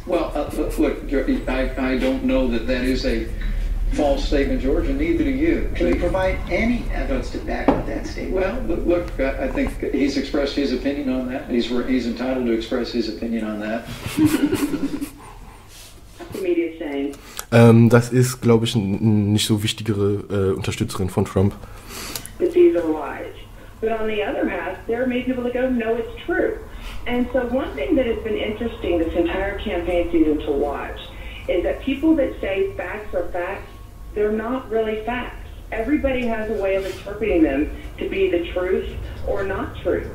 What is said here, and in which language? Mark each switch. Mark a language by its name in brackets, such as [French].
[English] Well, look, I don't know that that is a false statement, George, and neither do you. Can you provide any evidence to back up that statement? Well, look, I think he's expressed his opinion on that. He's entitled to express his opinion on that. What's the media saying? [German] Das ist, glaube ich, nicht so wichtigere Unterstützerin von Trump. [English] But these are lies. But on the other half, there are many people that go, no, it's true. And so one thing that has been interesting this entire campaign season to watch is that people that say facts are facts, they're not really facts. Everybody has a way of interpreting them to be the truth or not truth.